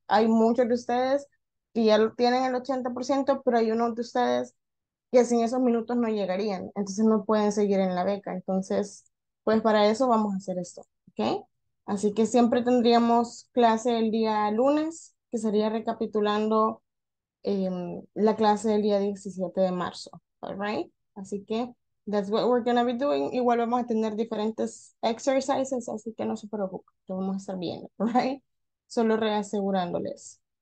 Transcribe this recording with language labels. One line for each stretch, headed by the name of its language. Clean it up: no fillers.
Spanish: Hay muchos de ustedes y ya tienen el 80%, pero hay uno de ustedes que sin esos minutos no llegarían, entonces no pueden seguir en la beca. Entonces, pues para eso vamos a hacer esto, ¿ok? Así que siempre tendríamos clase el día lunes, que sería recapitulando la clase del día 17 de marzo, ¿alright? Así que,
English: that's what we're gonna be doing.
Spanish: Igual vamos a tener diferentes exercises, así que no se preocupen, lo vamos a estar viendo, ¿alright? Solo reasegurándoles.